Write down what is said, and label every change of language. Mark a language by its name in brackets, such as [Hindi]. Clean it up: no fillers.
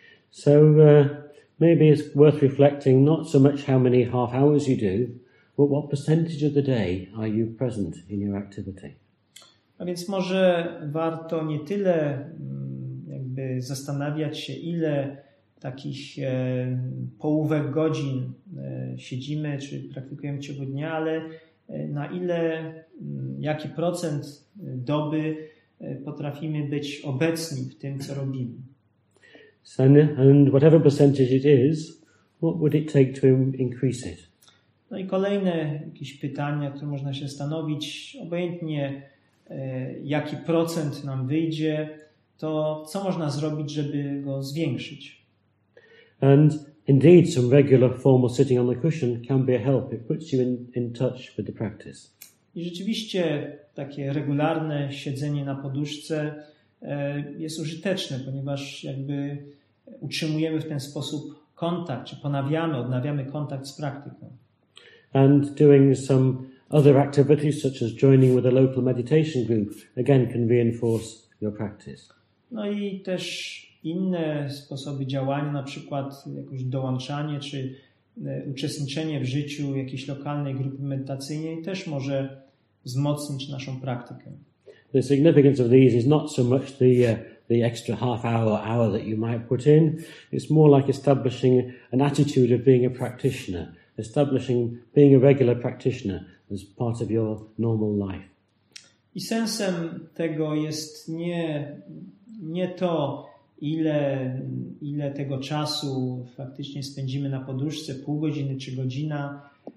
[English] So maybe it's worth reflecting not so much how many half hours you do, but what percentage of the day are you present in your activity. [Polish] A więc może warto nie tyle jakby zastanawiać się, ile takich połówek godzin siedzimy czy praktykujemy w ciągu dnia, ale na ile, jaki procent doby potrafimy być obecni w tym, co robimy. [English] And whatever percentage it is, what would it take to increase it? [Polish] No i kolejne jakieś pytania, które można się zastanowić, obojętnie jaki procent nam wyjdzie, to co można zrobić, żeby go zwiększyć? [English] And indeed, some regular formal sitting on the cushion can be a help. It puts you in touch with the practice. [Polish] I rzeczywiście takie regularne siedzenie na poduszce jest użyteczne, ponieważ jakby utrzymujemy w ten sposób kontakt, czy odnawiamy kontakt z praktyką. [English] And doing some other activities, such as joining with a local meditation group, again can reinforce your practice. [Polish] No i też inne sposoby działania, na przykład jakoś dołączanie czy uczestniczenie w życiu jakiejś lokalnej grupy medytacyjnej też może wzmocnić naszą praktykę. [English] The significance of these is not so much the extra half hour or hour that you might put in, it's more like establishing an attitude of being a practitioner, establishing being a regular practitioner as part of your normal life. [Polish] I sensem tego jest nie to, ile tego czasu faktycznie spędzimy na poduszce, pół godziny czy godzina,